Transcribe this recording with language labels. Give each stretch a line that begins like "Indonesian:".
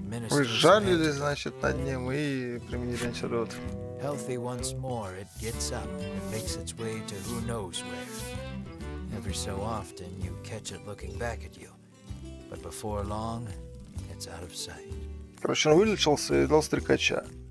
Russian: Вы жалили, значит, над ним и применили антидот.
English: Healthy once more, it gets up and makes its way to who knows where. Every so often you catch it looking back at you, but before long, it's out of sight.
Russian: Короче, он вылечился и дал стрекача.